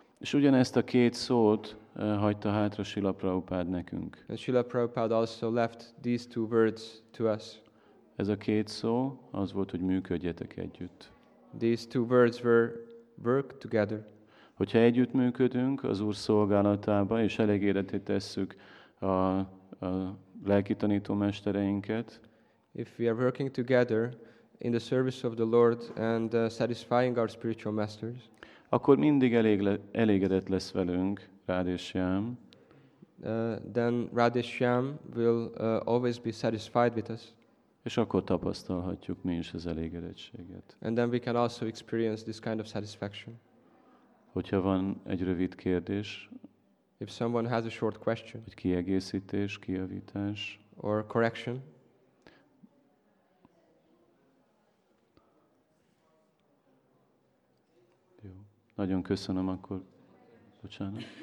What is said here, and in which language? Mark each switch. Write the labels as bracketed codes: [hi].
[hu] És ugyanezt a két szót hagyta hátra Srila Prabhupada nekünk. [en] And Srila Prabhupada also left these two words to us. [hu] Ez a két szó az volt, hogy működjetek együtt. [en] These two words were work together. [hu] Hogyha együttműködünk az Úr szolgálatába, és elégedetté tesszük a lelki tanító mestereinket. [en] If we are working together in the service of the Lord and satisfying our spiritual masters, [hu] akkor mindig elégedett lesz velünk, Rádésyám. [en] Then Rádésyám will always be satisfied with us. [hu] És akkor tapasztalhatjuk mi is az elégedettséget. [en] And then we can also experience this kind of satisfaction. [hu] Hogyha van egy rövid kérdés, [en] if someone has a short question, [hu] vagy kiegészítés, kijavítás, [en] or correction, [hu] jó. Nagyon köszönöm akkor, bocsánat.